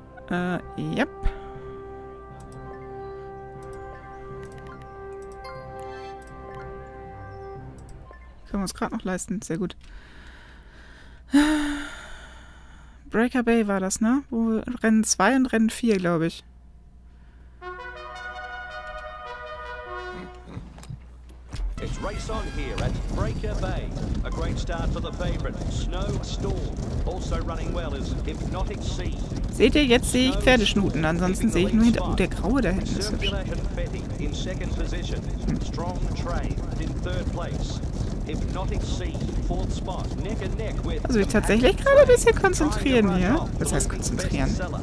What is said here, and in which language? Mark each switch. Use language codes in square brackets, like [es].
[de] Yep. Können wir uns gerade noch leisten. Sehr gut. Breaker Bay war das, ne? Wo Rennen 2 und Rennen 4, glaube ich. [en] It's race on here at Breaker Bay. A great start for the favorite. Snow Storm. Also running well is Hypnotic Sea. [de] Seht ihr, jetzt sehe ich Pferdeschnuten. Ansonsten sehe ich nur hinter... Oh, der Graue da hinten ist hübsch. Also ich tatsächlich gerade ein bisschen konzentrieren hier. Was heißt konzentrieren?